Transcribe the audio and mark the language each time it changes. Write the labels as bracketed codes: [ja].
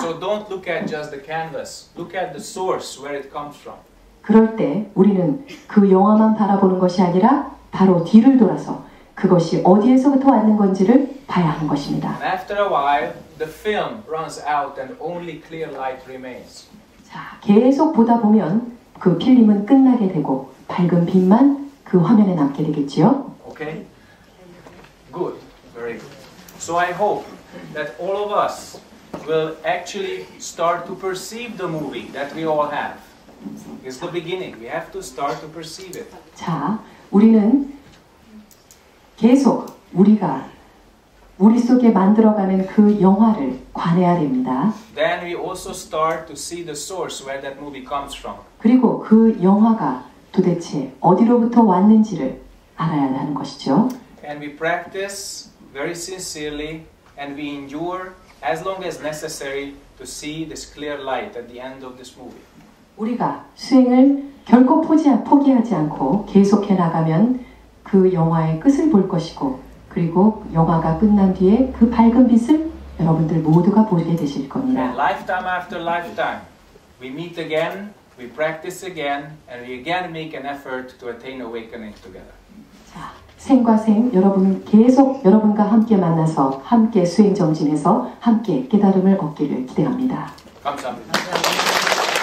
[en] So don't look at just the canvas. Look at the source where it comes from. [ko] 그럴 때 우리는 그 영화만 바라보는 것이 아니라 바로 뒤를 돌아서 그것이 어디에서부터 왔는 건지를 봐야 하는 것입니다. [en] After a while, the film runs out and only clear light remains. [ko] 자, 계속 보다 보면 그 필름은 끝나게 되고 밝은 빛만 그 화면에 남게 되겠지요. [en] Okay. Good. Very good. So I hope that all of us will actually start to perceive the movie that we all have. It's the beginning. We have to start to perceive it. [ko] 자, 우리는 계속 우리가 우리 속에 만들어가는 그 영화를 관해야 됩니다. [en] Then we also start to see the source where that movie comes from. [ko] 그리고 그 영화가 도대체 어디로부터 왔는지를 알아야 하는 것이죠. [en] and we practice very sincerely and we endure as long as necessary to see this clear light at the end of this movie. [ko] 우리가 수행을 결코 포기하지 않고 계속해 나가면 그 영화의 끝을 볼 것이고 그리고 영화가 끝난 뒤에 그 밝은 빛을 여러분들 모두가 보게 되실 겁니다. [en] And lifetime after lifetime, we meet again, we practice again, and we again make an effort to attain awakening together. [ko] 자, 생과 생, 여러분은 계속 여러분과 함께 만나서 함께 수행 정진해서 함께 깨달음을 얻기를 기대합니다. 감사합니다. 감사합니다.